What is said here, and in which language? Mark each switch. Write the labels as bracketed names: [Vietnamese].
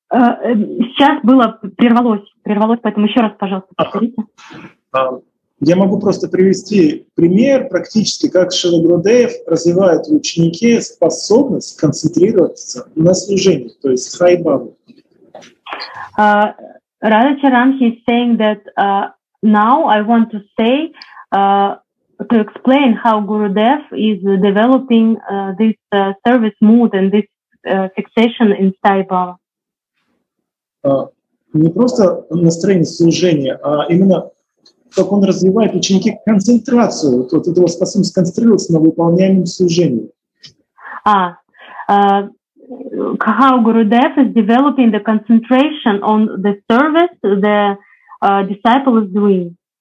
[Russian] Сейчас было, прервалось, поэтому еще раз, пожалуйста, повторите. Я могу просто привести пример практически, как Шрила Гурудев развивает в ученике способность концентрироваться на служении, то есть Sai Baba. [English] Radha Charan, he's saying that now I want to say, to explain how Gurudev is developing this service mood and this fixation in Sai Baba. [Russian] Не просто настроение служения, а именно как он развивает ученики концентрацию, вот этого способность концентрироваться на выполняемом служении. [English] How Gurudev is developing the concentration on the service the disciple is doing.